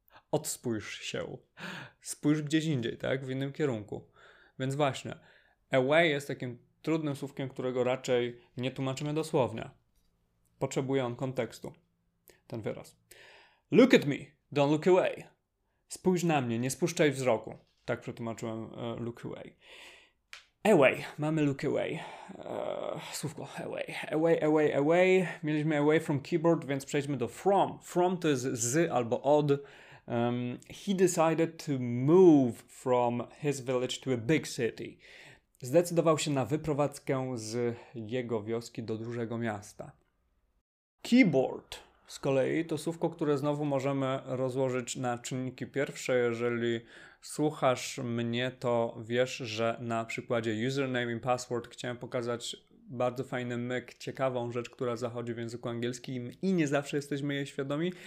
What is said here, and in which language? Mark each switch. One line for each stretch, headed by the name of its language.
Polish: Odspójrz się. Spójrz gdzieś indziej, tak? W innym kierunku. Więc właśnie, away jest takim trudnym słówkiem, którego raczej nie tłumaczymy dosłownie. Potrzebuje on kontekstu. Ten wyraz.
English: Look at me, don't look away.
Polish: Spójrz na mnie, nie spuszczaj wzroku. Tak przetłumaczyłem look away. Away. Mamy look away. Słówko away.
English: Away, away, away.
Polish: Mieliśmy
English: away from keyboard,
Polish: więc przejdźmy do from. From to jest z albo od.
English: He decided to move from his village to a big city.
Polish: Zdecydował się na wyprowadzkę z jego wioski do dużego miasta. Keyboard z kolei to słówko, które znowu możemy rozłożyć na czynniki pierwsze. Jeżeli słuchasz mnie, to wiesz, że na przykładzie username i password chciałem pokazać bardzo fajny myk, ciekawą rzecz, która zachodzi w języku angielskim i nie zawsze jesteśmy jej świadomi.